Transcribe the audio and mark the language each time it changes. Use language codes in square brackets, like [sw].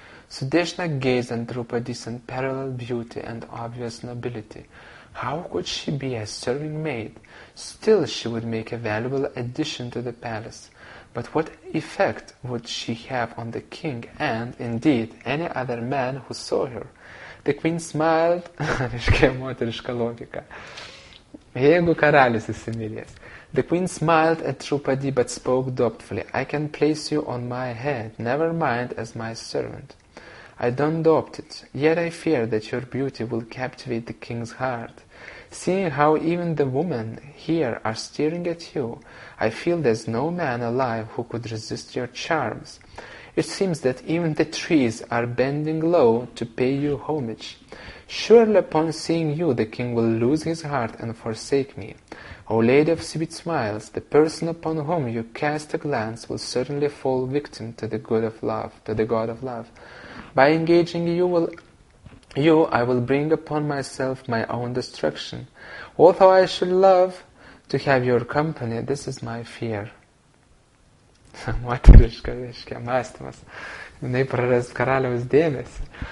[en] Sudeshna gazed at Draupadi's unparalleled beauty and obvious nobility. How could she be a serving maid? Still, she would make a valuable addition to the palace. But what effect would she have on the king and, indeed, any other man who saw her? The queen smiled, [lt] reiškia moteriška logika. Jeigu karalis įsimylės. [en] The queen smiled at Draupadi, but spoke doubtfully. I can place you on my head, never mind as my servant. I don't doubt it, yet I fear that your beauty will captivate the king's heart. Seeing how even the women here are staring at you, I feel there's no man alive who could resist your charms. It seems that even the trees are bending low to pay you homage. Surely upon seeing you, the king will lose his heart and forsake me. O Lady of Sweet Smiles, the person upon whom you cast a glance will certainly fall victim to the good of love, to the God of love. By engaging you, I will bring upon myself my own destruction. Although I should love to have your company, this is my fear. [lt] Moteriška, reiškia, mąstymas. Jinai praras karaliaus dėmesį.